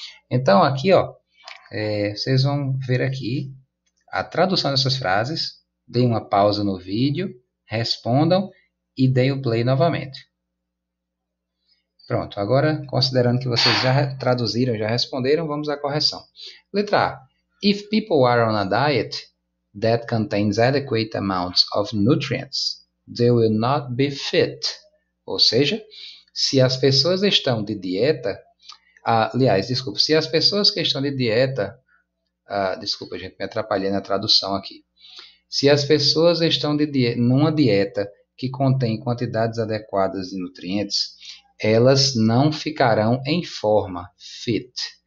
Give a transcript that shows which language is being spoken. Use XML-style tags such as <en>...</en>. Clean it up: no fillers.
<pt>Então, aqui, ó, vocês vão ver aqui a tradução dessas frases. Deem uma pausa no vídeo, respondam e deem o play novamente. Pronto, agora considerando que vocês já traduziram, já responderam, vamos à correção. Letra A.</pt> <en>If people are on a diet that contains adequate amounts of nutrients, they will not be fit.</en> <pt>Ou seja, se as pessoas estão de dieta, aliás, desculpa, se as pessoas que estão de dieta, desculpa, gente, me atrapalhei na tradução aqui. Se as pessoas estão numa dieta que contém quantidades adequadas de nutrientes, elas não ficarão em forma, fit.</pt>